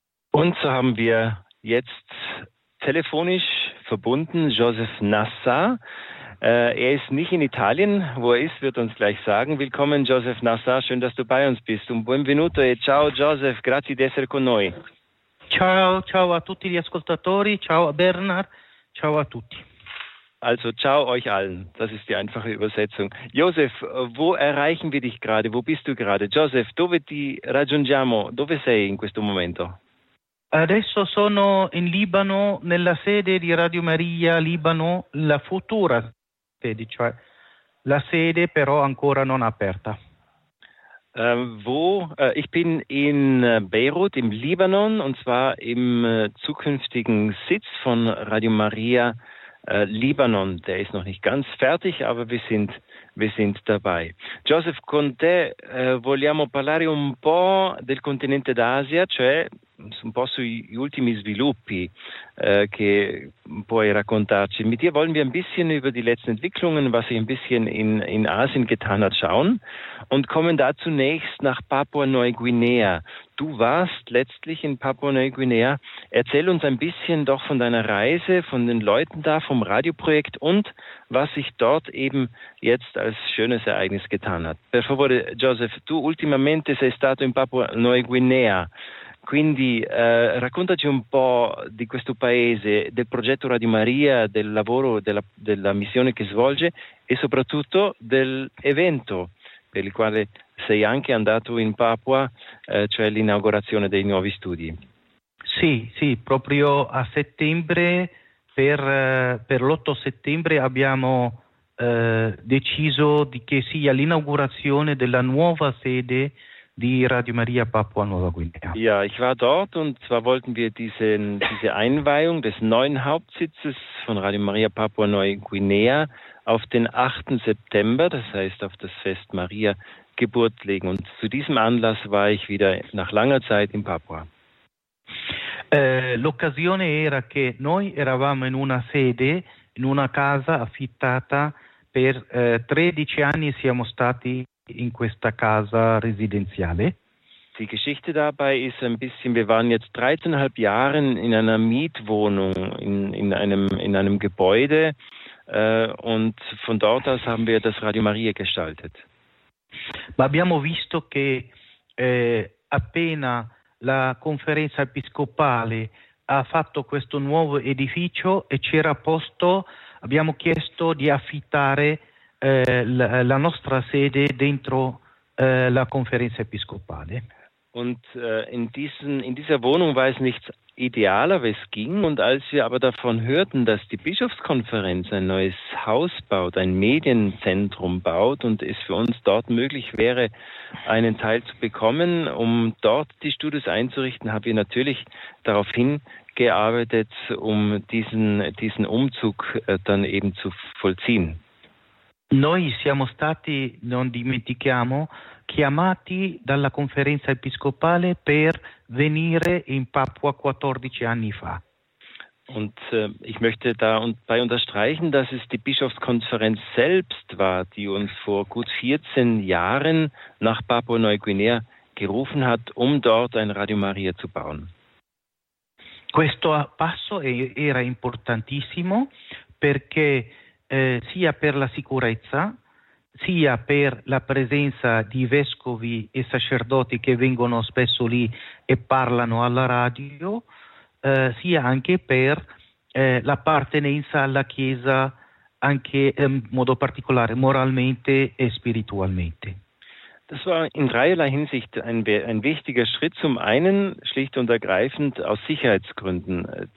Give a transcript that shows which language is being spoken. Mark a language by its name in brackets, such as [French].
[German] Und so haben wir jetzt telefonisch verbunden Josef Nassar. Er ist nicht in Italien. Wo er ist, wird uns gleich sagen. Willkommen, Josef Nassar. Schön, dass du bei uns bist. [Italian] Un benvenuto e ciao, Josef. Grazie di essere con noi. Ciao, ciao a tutti gli ascoltatori. Ciao a Bernard. Ciao a tutti. [German] Also, ciao euch allen. Das ist die einfache Übersetzung. Josef, wo erreichen wir dich gerade? Wo bist du gerade? [Italian] Josef, dove ti raggiungiamo? Dove sei in questo momento? Adesso sono in Libano, nella sede di Radio Maria Libano, la futura sede, cioè la sede però ancora non aperta. [German] Ich bin in Beirut, im Libanon, und zwar im zukünftigen Sitz von Radio Maria Libanon. Der ist noch nicht ganz fertig, aber wir sind dabei. [Italian] Josef, con te vogliamo parlare un po' del continente d'Asia, cioè un po' sugli ultimi sviluppi che puoi raccontarci. [German] Mit dir wollen wir ein bisschen über die letzten Entwicklungen, was sich ein bisschen in Asien getan hat, schauen und kommen da zunächst nach Papua-Neuguinea. Du warst letztlich in Papua-Neuguinea. Erzähl uns ein bisschen doch von deiner Reise, von den Leuten da, vom Radioprojekt und was sich dort eben jetzt als schönes Ereignis getan hat. [Italian] Per favore, Joseph, tu ultimamente sei stato in Papua-Neuguinea. Quindi raccontaci un po' di questo paese, del progetto Radio Maria, del lavoro, della missione che svolge e soprattutto dell'evento per il quale sei anche andato in Papua, cioè l'inaugurazione dei nuovi studi. Sì, sì, proprio a settembre, per l'8 settembre abbiamo deciso che sia l'inaugurazione della nuova sede di Radio Maria Papua Nuova Guinea. [German] Ja, ich war dort und zwar wollten wir diese Einweihung des neuen Hauptsitzes von Radio Maria Papua Neuguinea auf den 8. September, das heißt auf das Fest Maria Geburt legen. Und zu diesem Anlass war ich wieder nach langer Zeit in Papua. [Italian] L'occasione era che noi eravamo in una sede, in una casa affittata per 13 anni siamo stati in questa casa residenziale. [German] Die Geschichte dabei ist ein bisschen, wir waren jetzt 13,5 Jahre in einer Mietwohnung, in einem Gebäude und von dort aus haben wir das Radio Maria gestaltet. [Italian] Ma abbiamo visto che appena la conferenza episcopale ha fatto questo nuovo edificio e c'era posto, abbiamo chiesto di affittare la nostra sede dentro la conferenza episcopale. [German] Und in dieser Wohnung war es nichts idealer, was ging. Und als wir aber davon hörten, dass die Bischofskonferenz ein neues Haus baut, ein Medienzentrum baut und es für uns dort möglich wäre, einen Teil zu bekommen, um dort die Studios einzurichten, haben wir natürlich darauf hingearbeitet, um diesen Umzug dann eben zu vollziehen. [Italian] Noi siamo stati, non dimentichiamo, chiamati dalla conferenza episcopale per venire in Papua 14 anni fa. [German] Und ich möchte dabei unterstreichen, dass es die Bischofskonferenz selbst war, die uns vor gut 14 Jahren nach Papua-Neuguinea gerufen hat, um dort ein Radio Maria zu bauen. [Italian] Questo passo era importantissimo perché sia per la sicurezza, sia per la presenza di vescovi e sacerdoti che vengono spesso lì e parlano alla radio, sia anche per l'appartenenza alla Chiesa, anche in modo particolare moralmente e spiritualmente. [German] Das war in dreierlei Hinsicht ein wichtiger Schritt. Zum einen schlicht und ergreifend aus Sicherheitsgründen.